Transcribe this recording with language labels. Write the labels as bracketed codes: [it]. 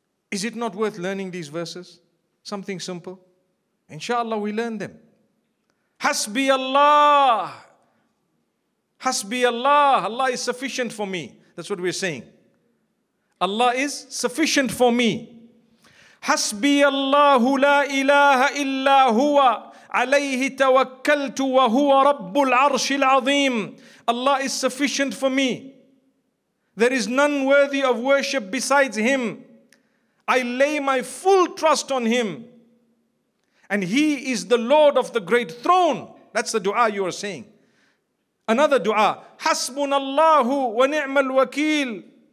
[en] Is it not worth learning these verses? Something simple. Inshallah, we learn them. [ar] Hasbi Allah. Hasbi Allah. [en] Allah is sufficient for me. That's what we're saying. Allah is sufficient for me. [ar] Hasbi Allah, la ilaha illa huwa. عليه توكلت وهو رب العرش العظيم. [en] Allah is sufficient for me. There is none worthy of worship besides Him. I lay my full trust on Him. And He is the Lord of the great throne. That's the dua you are saying. Another dua. [ar] حسبنا الله ونعم الوكيل.